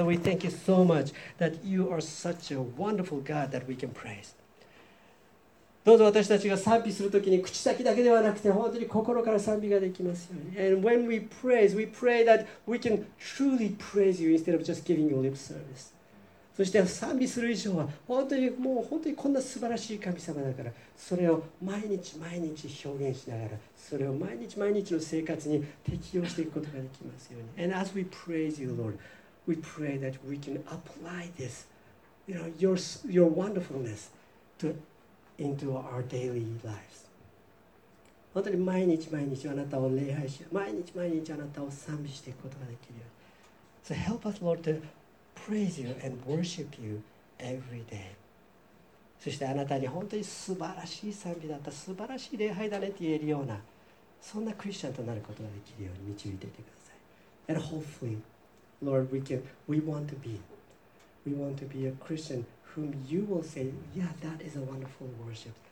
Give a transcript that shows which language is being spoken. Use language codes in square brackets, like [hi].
[en] Father, we thank you so much that you are such a wonderful God that we can praise. [ja] どうぞ私たちが賛美するときに口先だけではなくて本当に心から賛美ができますように。 [en] And when we praise, we pray that we can truly praise you instead of just giving you lip service. [ja] そして賛美する以上は本当にもう本当にこんな素晴らしい神様だから、それを毎日毎日表現しながら、それを毎日毎日の生活に適用していくことができますように。 [en] And as we praise you, Lord, we pray that we can apply this you know, your wonderfulness to, into our daily lives. [ja] 本当に毎日毎日あなたを礼拝し、毎日毎日あなたを賛美していくことができるように。 [en] So help us, Lord, to praise you and worship you every day. [ja] そしてあなたに本当に素晴らしい賛美だった、素晴らしい礼拝だねって言えるような、そんなクリスチャンとなることができるように導いていてください。 [en] And hopefully, Lord, we want to be a Christian whom you will say, yeah, that is a wonderful worship.